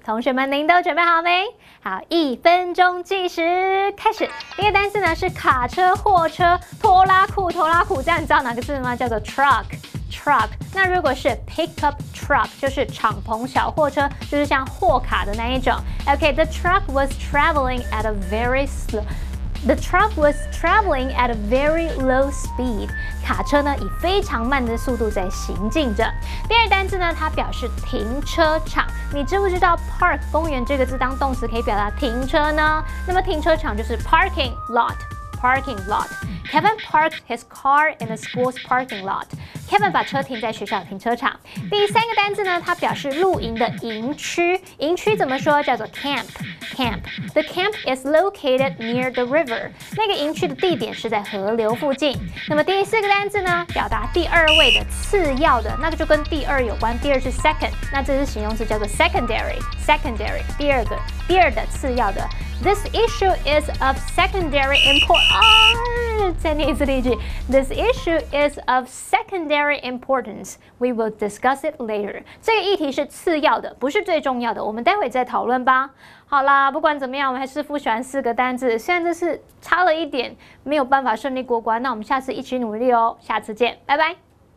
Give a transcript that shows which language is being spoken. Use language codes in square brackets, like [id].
[zh] 同学们，您都准备好没？好，一分钟计时开始。第一个单字呢是卡车、货车、拖拉库、拖拉库，这样你知道哪个字吗？叫做 truck。 Truck， 那如果是 pickup truck， 就是敞篷小货车，就是像货卡的那一种。 [en] Okay， the truck was traveling at a very slow。 The truck was traveling at a very low speed. [zh] 卡车呢以非常慢的速度在行进着。第二单字呢，它表示停车场。你知不知道 park 公园这个字当动词可以表达停车呢？那么停车场就是 parking lot。 [en] Parking lot. Kevin parked his car in the school's parking lot. [zh] Kevin 把车停在学校停车场。第三个单字呢，它表示露营的营区。营区怎么说？叫做 camp. Camp. [en] The camp is located near the river. [zh] 那个营区的地点是在河流附近。那么第四个单字呢，表达第二位的、次要的，那个就跟第二有关。第二是 second， 那这是形容词，叫做 secondary. Secondary. 第二个、第二的、次要的。 [en] This issue is of secondary importance. [zh] 再念一次例句。 [en] This issue is of secondary importance. We will discuss it later. [zh] 这个议题是次要的，不是最重要的。我们待会再讨论吧。好啦，不管怎么样，我们还是复习完四个单字。虽然这是差了一点，没有办法顺利过关。那我们下次一起努力哦。下次见，拜拜。